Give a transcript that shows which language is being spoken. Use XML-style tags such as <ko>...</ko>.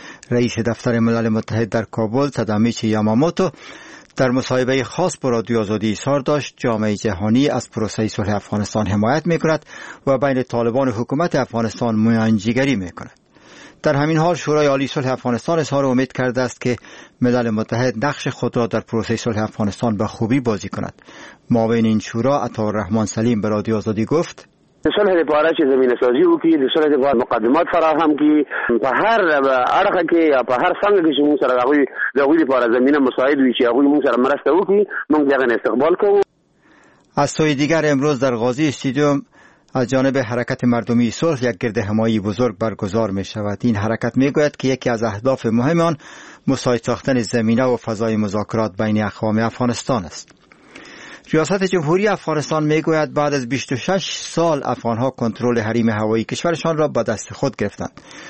<fa>رئیس دفتر ملل متحد در کابل تادامیچی یاماموتو در مصاحبه خاص با رادیو آزادی اظهار داشت جامعه جهانی از پروسه صلح افغانستان حمایت میکند و بین طالبان و حکومت افغانستان میانجیگری میکند. در همین حال شورای عالی صلح افغانستان اظهار امید کرده است که ملل متحد نقش خود را در پروسه صلح افغانستان به خوبی بازی کند. معاون این شورا عطارحمان سلیم به رادیو آزادی گفت</fa> <ps>صلح دپاره چه زمینه سازی او کی صلح دپاره مقدمات فراهم کی په هر اړخه کې یا په هر څنګه کې چې موږ سره غوي دغوی لپاره زمینه مساعد وي چې هغوی موږ سره مرسته وکړي موږ دغه استقبال کوو.</ps> <fa>از سوی دیگر امروز در غازی استیدیوم از جانب حرکت مردمی صلح یک گرد همایی بزرگ برگزار می شود. این حرکت می گوید که یکی از اهداف مهم آن مساعد ساختن زمینه و فضای مذاکرات بین اقوام افغانستان است. ریاست جمهوری افغانستان می گوید بعد از 26 سال افغانها کنترل حریم هوایی کشورشان را به دست خود گرفتند.</fa>